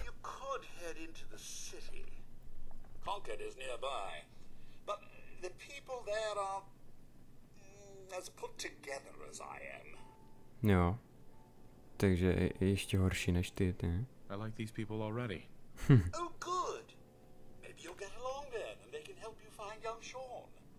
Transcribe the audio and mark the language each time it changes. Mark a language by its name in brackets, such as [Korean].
[English] You could head into the city. Concord is nearby. But the people there are as put together as I am. [Czech] Jo. Takže ještě horší než ty, ty. [English] I like these people already. Oh, good. Maybe you'll get along then and they can help you find young Sean.